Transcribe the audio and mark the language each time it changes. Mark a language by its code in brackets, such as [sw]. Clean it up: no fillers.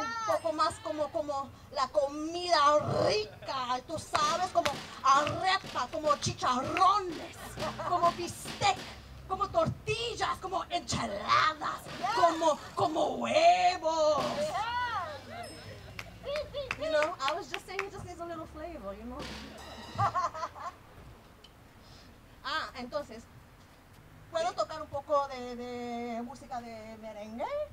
[es] Un poco más como la comida rica, tú sabes, como arepa, como chicharrones, como bistec, como tortillas, como enchiladas, yeah. como huevos. Yeah. [en] You know, I was just saying it just needs a little flavor, you know? [es] entonces, ¿puedo tocar un poco de música de merengue?